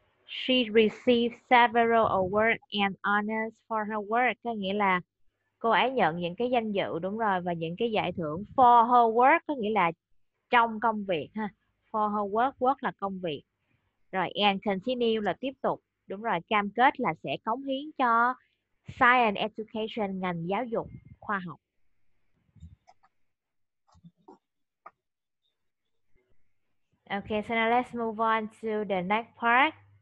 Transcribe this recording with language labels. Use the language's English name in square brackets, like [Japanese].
[English] She received several awards and honors for her work. [Vietnamese] Có nghĩa là cô ấy nhận những cái danh dự, đúng rồi, và những cái giải thưởng. [English] For her work [Vietnamese] có nghĩa là trong công việc ha. For her work, work là công việc. Rồi [English] and continue [Vietnamese] là tiếp tục, đúng rồi, cam kết là sẽ cống hiến cho science education, ngành giáo dục khoa học. [English] Okay, so now let's move on to the next part.